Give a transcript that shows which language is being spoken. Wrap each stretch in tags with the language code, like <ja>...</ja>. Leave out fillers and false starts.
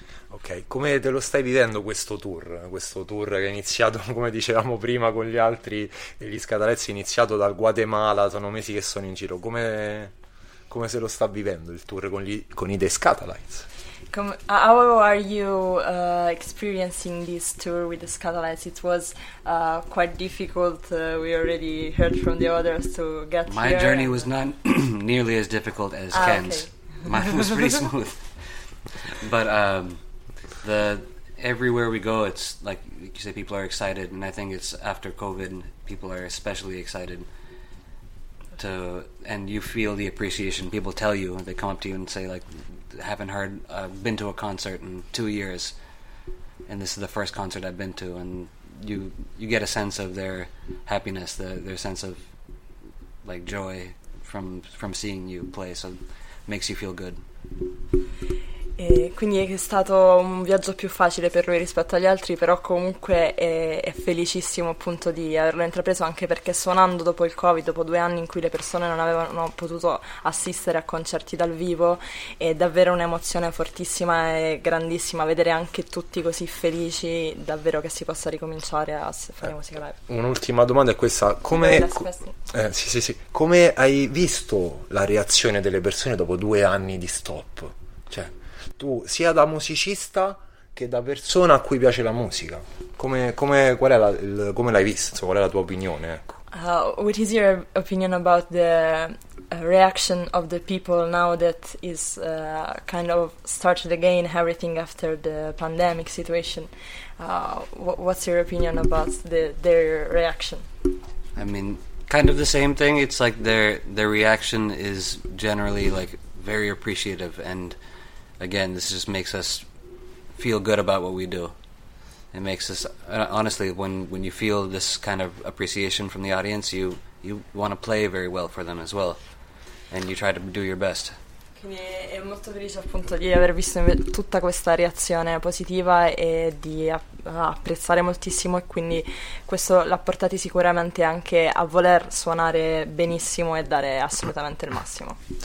<it>Ok, come te lo stai vivendo questo tour che è iniziato, come dicevamo prima, con gli altri, gli Scatalites, è iniziato dal Guatemala, sono mesi che sono in giro, come se lo sta vivendo il tour con i The Scatalites?</it> <en>How are you experiencing this tour with the Scatalites? It was quite difficult. We already heard from the others to get My here. My journey was not nearly as difficult as Ken's. Okay. Mine was pretty smooth. But everywhere we go, it's like you say, people are excited, and I think it's after COVID, people are especially excited. And you feel the appreciation. People tell you, they come up to you and say, like, haven't heard, been to a concert in 2 years, and this is the first concert I've been to, and you get a sense of their happiness, their sense of, like, joy from seeing you play, so it makes you feel good.</en> <it>E quindi è stato un viaggio più facile per lui rispetto agli altri, però comunque è felicissimo appunto di averlo intrapreso, anche perché suonando dopo il Covid, dopo 2 anni in cui le persone non avevano potuto assistere a concerti dal vivo, è davvero un'emozione fortissima e grandissima vedere anche tutti così felici, davvero che si possa ricominciare a fare musica live. Un'ultima domanda è questa: come hai visto la reazione delle persone dopo 2 anni di stop? Cioè, tu, sia da musicista che da persona a cui piace la musica, come l'hai visto? Qual è la tua opinione? Ecco.</it> <en>What is your opinion about the reaction of the people now that is kind of started again everything after the pandemic situation? What's your opinion about their reaction? I mean, kind of the same thing. It's like their reaction is generally like very appreciative, and again, this just makes us feel good about what we do. It makes us, honestly, when you feel this kind of appreciation from the audience, you want to play very well for them as well, and you try to do your best.</en> <it>Quindi è molto felice appunto di aver visto tutta questa reazione positiva e di apprezzare moltissimo, e quindi questo l'ha portati sicuramente anche a voler suonare benissimo e dare assolutamente il massimo.</it>